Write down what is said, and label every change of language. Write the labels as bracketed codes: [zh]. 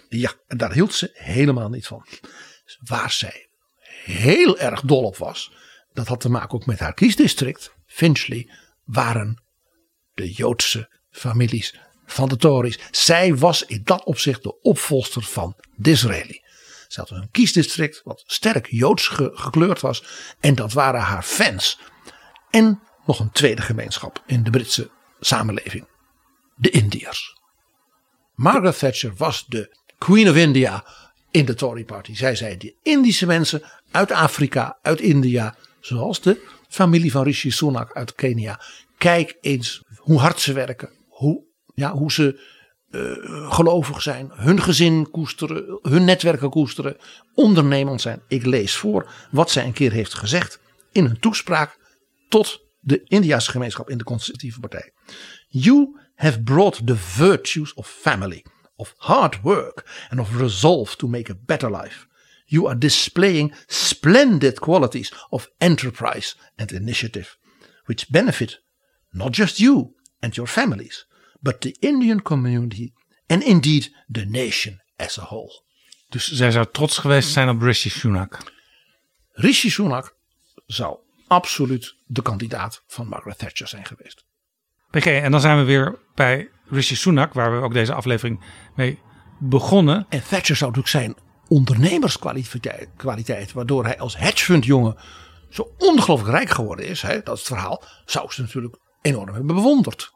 [nl] Ja, en daar hield ze helemaal niet van. Waar zij heel erg dol op was, dat had te maken ook met haar kiesdistrict, Finchley, waren de Joodse families van de Tories. Zij was in dat opzicht de opvolger van Disraeli. Ze had een kiesdistrict wat sterk joods gekleurd was. En dat waren haar fans. En nog een tweede gemeenschap in de Britse samenleving. De Indiërs. Margaret Thatcher was de Queen of India in de Tory Party. Zij zei die Indische mensen uit Afrika, uit India, zoals de familie van Rishi Sunak uit Kenia. Kijk eens hoe hard ze werken. Hoe ze gelovig zijn. Hun gezin koesteren. Hun netwerken koesteren. Ondernemend zijn. Ik lees voor wat zij een keer heeft gezegd in een toespraak tot de Indiase gemeenschap in de Conservatieve Partij. [en] You have brought the virtues of family, of hard work and of resolve to make a better life. You are displaying splendid qualities of enterprise and initiative, which benefit not just you and your families, but the Indian community and indeed the nation as a whole. [nl] Dus zij zou trots geweest zijn op Rishi Sunak. Rishi Sunak zou absoluut de kandidaat van Margaret Thatcher zijn geweest. PG, en dan zijn we weer bij Rishi Sunak, waar we ook deze aflevering mee begonnen. En Thatcher zou natuurlijk zijn ondernemerskwaliteit, waardoor hij als hedgefundjongen zo ongelooflijk rijk geworden is, hè, dat is het verhaal, zou ze natuurlijk enorm hebben bewonderd.